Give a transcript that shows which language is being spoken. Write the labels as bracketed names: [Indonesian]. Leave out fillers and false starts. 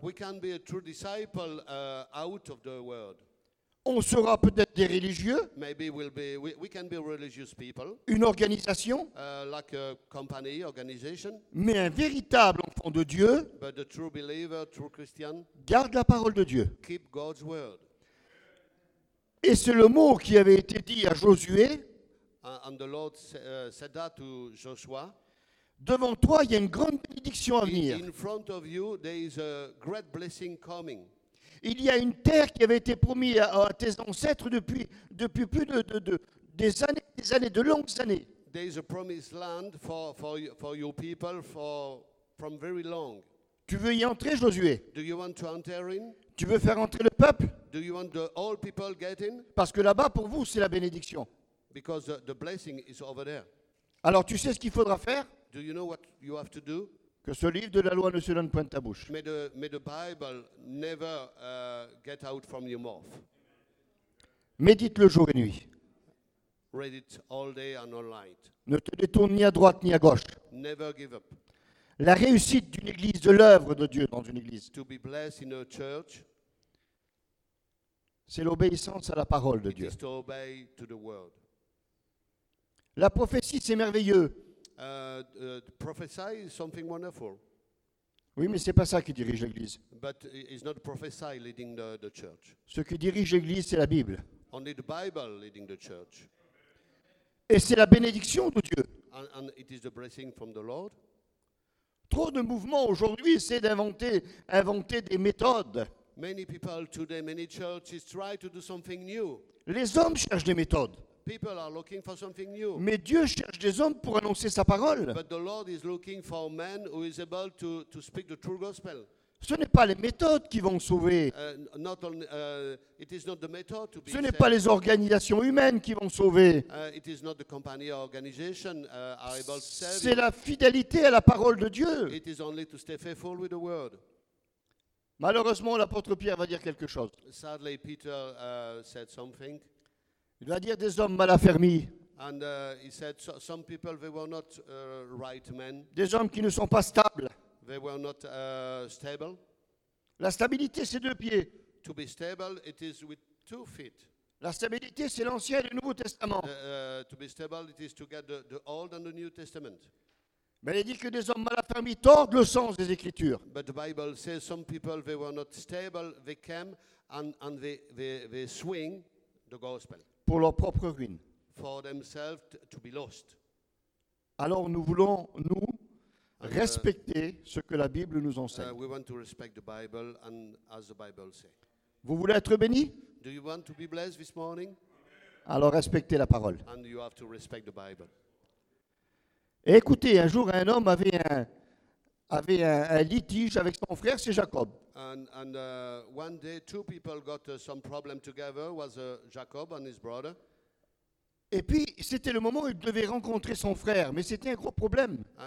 [English] We can be a true disciple, out of the word. [French] On sera peut-être des religieux. [English] Maybe we can be religious people. [French] Une organisation. [English] Like a company, organization. [French] Mais un véritable enfant de Dieu. [English] But a true believer, true Christian. [French] Garde la parole de Dieu. [English] Keep God's word. [French] Et c'est le mot qui avait été dit à Josué. [English] And the Lord said that to Joshua. [French] Devant toi, il y a une grande bénédiction à venir. [English] In front of you, there is a great blessing coming. [French] Il y a une terre qui avait été promise à tes ancêtres depuis plus des années, de longues années. [English] There is a promised land for your people from very long. [French] Tu veux y entrer, Josué? [English] Do you want to enter in? [French] Tu veux faire entrer le peuple? [English] Do you want the whole people get in? [French] Parce que là-bas, pour vous, c'est la bénédiction. [English] Because the blessing is over there. [French] Alors, tu sais ce qu'il faudra faire? [English] Do you know what you have to do? [French] Que ce livre de la loi ne se donne point de ta bouche. [English] May the Bible never get out from your mouth. [French] Médite-le jour et nuit. [English] Read it all day and all night. [French] Ne te détourne ni à droite ni à gauche. [English] Never give up. [French] La réussite d'une église, de l'œuvre de Dieu dans une église. [English] To be blessed in a church. [French] C'est l'obéissance à la parole de [English] it [French] Dieu. [English] Is to obey to the word. [French] La prophétie, c'est merveilleux. [English] Prophesy is something wonderful. [French] Oui, mais c'est pas ça qui dirige l'Église. [English] But it's not prophesy leading the church. [French] Ce qui dirige l'Église, c'est la Bible. [English] Only the Bible leading the church. [French] Et c'est la bénédiction de Dieu. [English] And it is the blessing from the Lord. [French] Trop de mouvements aujourd'hui essaient d'inventer des méthodes. [English] Many people today, many churches try to do something new. [French] Les hommes cherchent des méthodes. [English] People are looking for something new. [French] Mais Dieu cherche des hommes pour annoncer sa parole. [English] But the Lord is looking for a man who is able to speak the true gospel. [French] Ce n'est pas les méthodes qui vont sauver. [English] It is not the method to be. [French] Ce n'est pas les organisations humaines qui vont sauver. [English] It is not the company or organization are able to save. [French] C'est la fidélité à la parole de Dieu. [English] It is only to stay faithful with the word. [French] Malheureusement, l'apôtre Pierre va dire quelque chose. [English] Sadly, Peter said something. [French] Il va dire des hommes mal affermis. [English] And he said some people they were not right men. [French] Des hommes qui ne sont pas stables. [English] They were not stable. [French] La stabilité, c'est deux pieds. [English] To be stable, it is with two feet. [French] La stabilité, c'est l'Ancien et le Nouveau Testament. [English] To be stable, it is to get the Old and the New Testament. [French] Mais il dit que des hommes mal affermis tordent le sens des Écritures. [English] But the Bible says some people they were not stable, they came and they swing the gospel. [French] Pour leur propre ruine. [English] For themselves to be lost. [French] Alors nous voulons, nous, respecter ce que la Bible nous enseigne. [English] We want to respect the Bible and as the Bible says. [French] Vous voulez être béni? [English] Do you want to be blessed this morning? [French] Alors respectez la parole. [English] And you have to respect the Bible. [French] Et écoutez, un jour un homme avait un litige avec son frère, c'est Jacob. [English] And one day two people got some problem together was Jacob and his brother. [French] Et puis c'était le moment où il devait rencontrer son frère, mais c'était un gros problème.